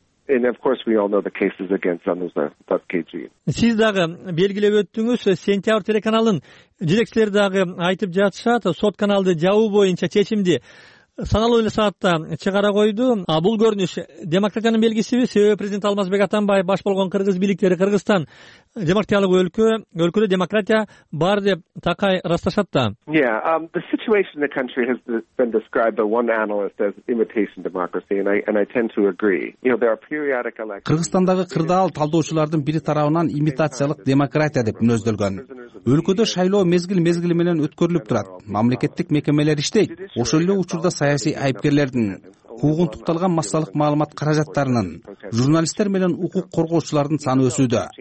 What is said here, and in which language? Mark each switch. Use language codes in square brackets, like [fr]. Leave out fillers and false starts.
[en] And of course we all know the cases against Zanuza.kg. [ky] Сиз дагы белгилеп өттүңүз, сентябрь телеканалын жетекчилери дагы айтып жатышат, сот каналды жабуу боюнча чечимди саналуу эле саатта чыгара койду. А бул көрүнүш демократиянын белгисиби? Себеби президент Алмазбек Атамбаев баш болгон кыргыз бийликтери Кыргызстан демократиялык өлкө, өлкөдө демократия бар деп такай расташат да. [en] The situation in the country has been described by one analyst as imitation democracy and I tend to agree. There are periodic elections. [ky] Кыргызстандагы кырдаал талдоочулардын бири тарабынан имитациялык демократия деп мүнөздөлгөн. Өлкөдө шайлоо мезгил-мезгил менен өткөрүлүп турат. Мамлекеттик мекемелер иштейт. Ошол эле учурда саясий айыпкерлердин куугунтукталган массалык маалымат каражаттарынын, журналисттер менен укук коргоочулардын саны өсүүдө.